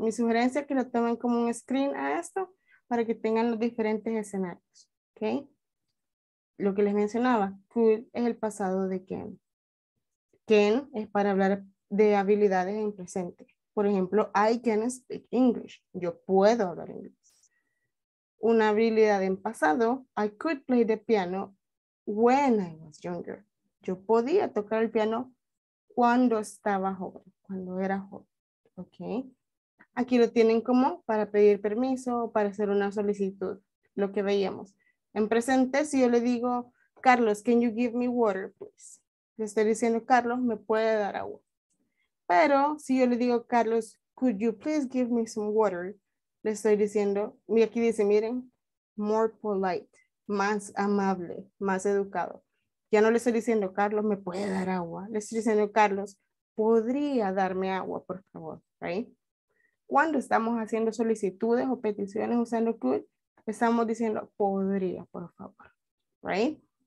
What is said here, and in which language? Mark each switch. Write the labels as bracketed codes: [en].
[es] Mi sugerencia es que lo tomen como un screen a esto para que tengan los diferentes escenarios. Ok. Lo que les mencionaba, could es el pasado de can. Can es para hablar de habilidades en presente. Por ejemplo, [en] I can speak English. [es] Yo puedo hablar inglés. Una habilidad en pasado, [en] I could play the piano when I was younger. [es] Yo podía tocar el piano cuando estaba joven, cuando era joven. Okay. Aquí lo tienen como para pedir permiso o para hacer una solicitud, lo que veíamos. En presente, si yo le digo, Carlos, [en] can you give me water, please? [es] Le estoy diciendo, Carlos, ¿me puede dar agua? Pero si yo le digo, [en] Carlos, could you please give me some water? [es] Le estoy diciendo, y aquí dice, miren, more polite, más amable, más educado. Ya no le estoy diciendo, Carlos, ¿me puede dar agua? Le estoy diciendo, Carlos, ¿podría darme agua, por favor? Right? Cuando estamos haciendo solicitudes o peticiones usando could, estamos diciendo, podría, por favor. Right?